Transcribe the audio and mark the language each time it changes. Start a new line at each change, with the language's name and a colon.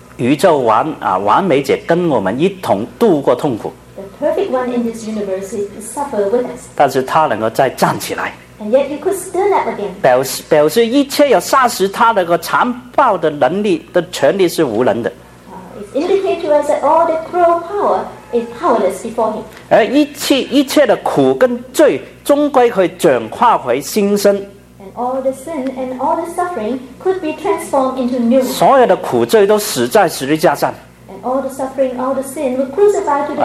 Chinese: 宇宙完美者跟我们一同度过痛苦。
English: The perfect one in this universe is suffering with us.
Chinese: 但是他能够再站起来。
English: And yet he could stand up again.
Chinese: 表示一切有杀死他的个残暴的能力的权力是无能的。
English: It indicates to us that all the cruel power is powerless before him.
Chinese: 而一切的苦跟罪终归可以转化回新生。
English: And all the sin and all the suffering could be transformed into new.
Chinese: 所有的苦罪都死在十字架上。
English: And all the suffering, all the sin were crucified to the cross.